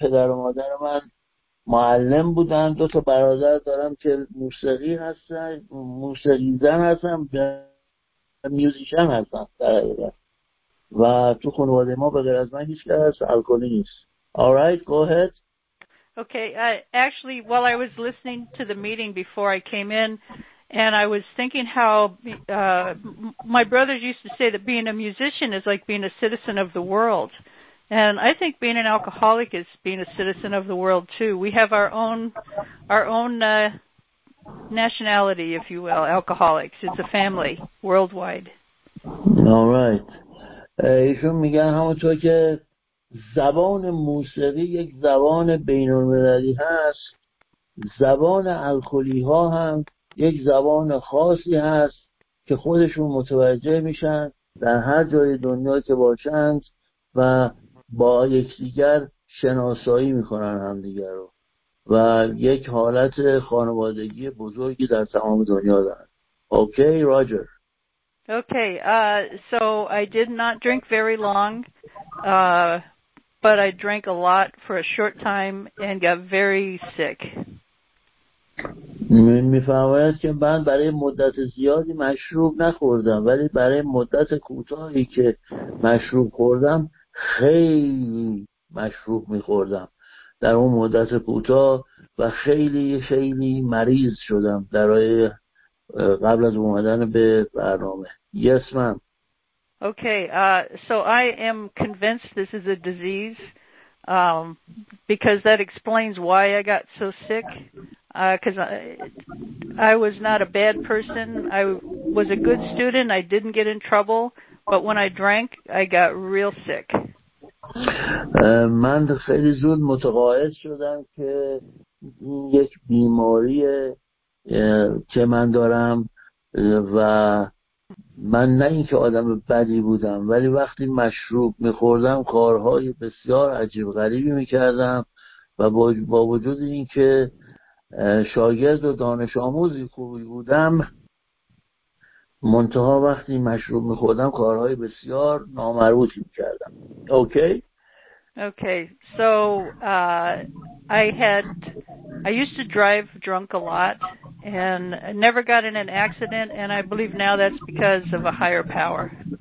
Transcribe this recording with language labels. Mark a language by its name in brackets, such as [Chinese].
[Persian] پدر و مادر من معلم بودن. دو تا برادر دارم که موسیقی هستن، موسیقی زن هستن، میوزیشن هستن در حقیقت. و تو خانواده ما به غیر از من هیچ کس الکلی نیست. [English] All right, go ahead. Okay, actually, while I was listening to the meeting before I came in, and I was thinking how my brothers used to say that being a musician is like being a citizen of the world. And I think being an alcoholic is being a citizen of the world, too. We have our own nationality, if you will, alcoholics. It's a family worldwide. All right. [Persian] ایشون میگن همونطور که زبان موسیقی یک زبان بین‌المللی هست، زبان الکلی ها هم یک زبان خاصی هست که خودشون متوجه میشن در هر جای دنیا که باشند و با یکدیگر شناسایی میکنن همدیگر رو و یک حالت خانوادگی بزرگی در تمام دنیا دارن. [English] Okay roger. Okay, so I did not drink very long, but I drank a lot for a short time and got very sick. [Persian] می‌فهمید که من برای مدت زیادی مشروب نخوردم، ولی برای مدت کوتاهی که مشروب خوردم خیلی مشروب میخوردم در اون مدت کوتاه و خیلی خیلی مریض شدم برای قبل از اومدن به برنامه. [English] Yes, ma'am. Okay, so I am convinced this is a disease because that explains why I got so sick. Because I was not a bad person. I was a good student. I didn't get in trouble. But when I drank, I got real sick. [Persian] من خیلی زود متقاعد شدم که یک بیماریه که من دارم و من نه این که آدم بدی بودم ولی وقتی مشروب میخوردم کارهای بسیار عجیب غریبی میکردم و با وجود این که شاگرد و دانش آموزی خوبی بودم منتها وقتی مشروب میخوردم کارهای بسیار نامربوطی میکردم. [English] Okay, so I used to drive drunk a lot and never got in an accident, and I believe now that's because of a higher power.